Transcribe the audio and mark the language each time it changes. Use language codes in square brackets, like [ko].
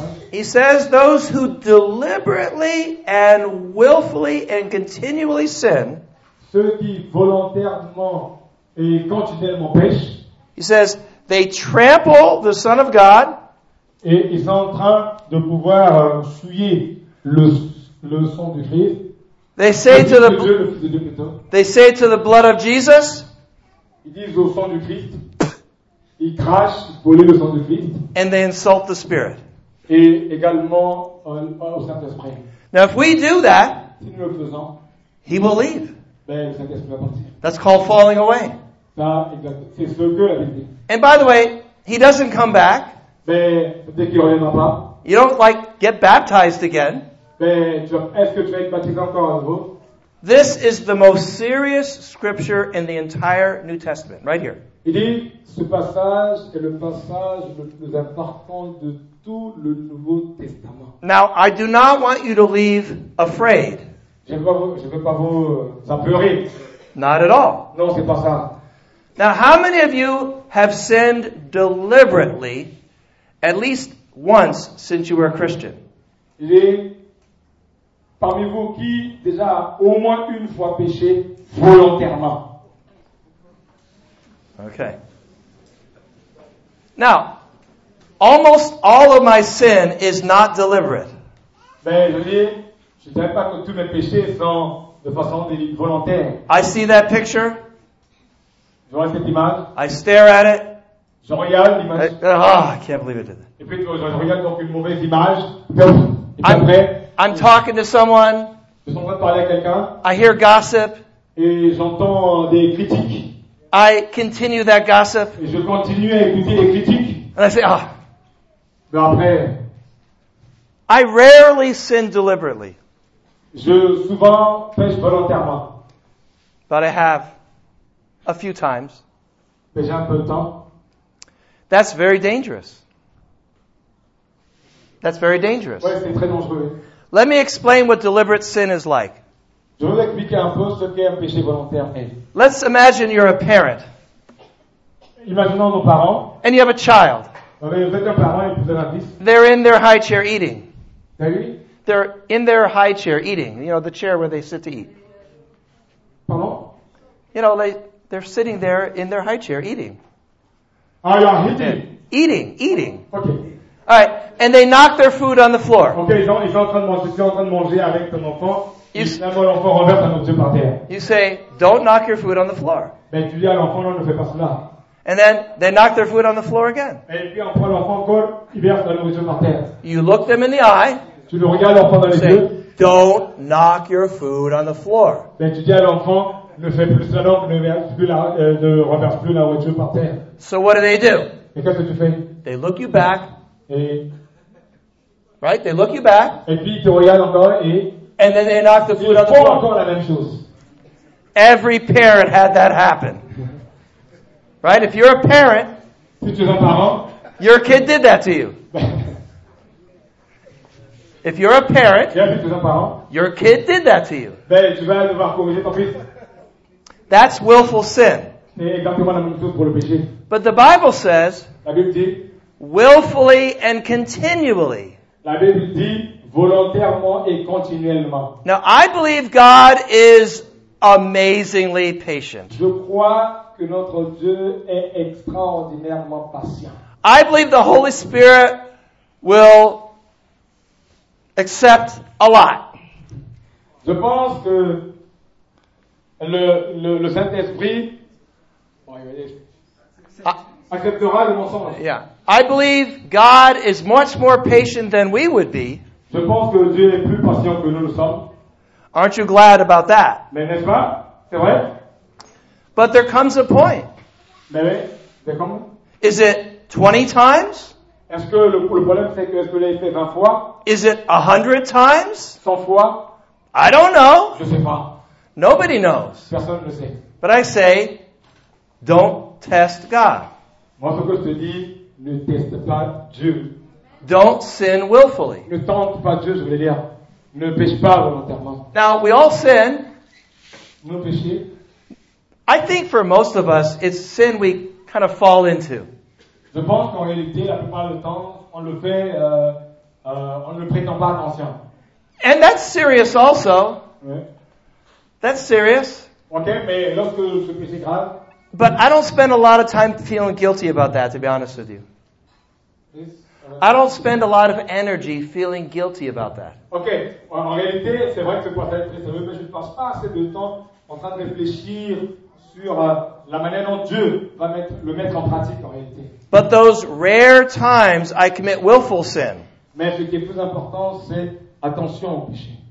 [en] He says those who deliberately and willfully and continually sin, [fr] ceux qui volontairement et continuellement pêchent, [en] he says, they trample the Son of God. [fr] Et ils sont en train de pouvoir souiller le sang du Christ. [en] They say to the [fr] Dieu, le Fils de Dieu, Peter, [en] they say to the blood of Jesus. [fr] Ils disent au sang du Christ. Ils crachent, ils polluent le sang du Christ. [en] And they insult the Spirit. [fr] Et également au Saint-Esprit. [en] Now, if we do that, [fr] si nous le faisons, [en] he will leave. [fr] Ben, [en] that's called falling away. [fr] Ça, c'est ce que la Bible dit. [en] And by the way, he doesn't come back. [fr] Ben, dès qu'il reviendra pas, [en] you don't like get baptized again. [fr] Ben, est-ce que tu vas être baptisé encore à nouveau? [en] This is the most serious scripture in the entire New Testament, right here. [fr] Il dit, ce passage est le passage le plus important de tout le Nouveau Testament. [en] Now, I do not want you to leave afraid. [fr] Je veux pas vous [en] not at all. [fr] Non, c'est pas ça. [en] Now, how many of you have sinned deliberately at least once since you were a Christian? [fr] Il est parmi vous qui déjà au moins une fois péché volontairement. [en] Okay. Now, almost all of my sin is not deliberate. [fr] Ben, je dis, je dirais pas que tous mes péchés sont de façon volontaire. [en] I see that picture. [fr] Je vois cette image. [en] I stare at it. [fr] Je regarde l'image. [en] I can't believe it. [fr] Et puis je regarde donc une mauvaise image. Et après, [en] I'm talking to someone. [fr] Je suis en train de parler à quelqu'un. [en] I hear gossip. [fr] Et j'entends des critiques. [en] I continue that gossip. [fr] Et je continue à écouter les critiques. [en] And I say, ah. [fr] Mais après, [en] I rarely sin deliberately. [fr] Je souvent pêche volontairement. [en] But I have a few times. [fr] Mais j'ai un peu de temps. [en] That's very dangerous. That's very dangerous. [fr] Ouais, c'est très dangereux. [en] Let me explain what deliberate sin is like. [fr] Je vais expliquer un peu ce qu'est un péché volontaire. [en] Let's imagine you're a parent. [fr] Imaginons nos parents. [en] And you have a child. [fr] Vous êtes un parent et vous avez un fils. [en] They're in their high chair eating. [fr] D'accord. [en] They're in their high chair eating. You know, the chair where they sit to eat. Pardon? You know, they're sitting there in their high chair eating. Ah, you're eating. Eating. Okay. All right, and they knock their food on the floor. [fr] Okay, ils sont en train de manger, avec ton enfant. Finalement, l'enfant renverse un objet par terre. [en] You say, don't knock your food on the floor. [fr] Mais tu dis à l'enfant, non, ne fais pas cela. [en] And then they knock their food on the floor again. [fr] Et puis après, l'enfant encore, il verse un objet par terre. [en] You look them in the eye. [fr] Tu le regardes l'enfant dans les yeux. [en] Don't knock your food on the floor. [fr] Mais tu dis à l'enfant, ne fais plus cela, ne renverse plus la nourriture par terre. [en] So what do they do? [fr] Et qu'est-ce que tu fais? [en] They look you back. [fr] Et, [en] right, they look you back. [fr] Et puis ils te regardent encore et. [en] And then they knock the food on the floor. [fr] Encore la même chose. [en] Every parent had that happen. Right, if you're a parent, [fr] si tu es un parent, [en] your kid did that to you. If you're a parent, [fr] yeah, si tu es un parent, [en] your kid did that to you. [fr] Ben, tu vas devoir corriger ton fils. [en] That's willful sin. [fr] C'est exactement la même chose pour le péché. [en] But the Bible says. [fr] La Bible dit. [en] Willfully and continually. [fr] La Bible dit volontairement et continuellement. [en] Now I believe God is amazingly patient. [fr] Je crois que notre Dieu est extraordinairement patient. [en] I believe the Holy Spirit will accept a lot. [fr] Je pense que le Saint-Esprit acceptera le mensonge. [en] Yeah. I believe God is much more patient than we would be. [fr] Je pense que Dieu est plus patient que nous le sommes. [en] Aren't you glad about that? [fr] Mais n'est-ce pas? C'est vrai? [en] But there comes a point. [fr] Mais [en] is it 20 times? [fr] Est-ce que le problème c'est que est-ce que l'a fait 20 fois? [en] Is it 100 times? [fr] 100 fois? [en] I don't know. [fr] Je sais pas. [en] Nobody knows. [fr] Personne ne sait. [en] But I say, don't test God. [fr] Moi ce que je te dis. Ne teste pas Dieu. [en] Don't sin willfully. [fr] Ne tente pas Dieu, je veux dire. Ne pêche pas volontairement. [en] Now, we all sin. [fr] Nous péchons. [en] I think for most of us, it's sin we kind of fall into. [fr] Je pense qu'en réalité, la plupart du temps, on le fait, on ne prétend pas attention. [en] And that's serious also. [fr] Oui. [en] That's serious. [fr] Ok, mais lorsque ce péché est grave, [en] but I don't spend a lot of time feeling guilty about that, to be honest with you. I don't spend a lot of energy feeling guilty about that. Okay. [fr] En réalité, c'est vrai que pour être sérieux, mais je ne passe pas assez de temps en train de réfléchir sur la manière dont Dieu va le mettre en pratique, en réalité. [en] But those rare times I commit willful sin. [fr] Mais ce qui est plus important, c'est attention au péché.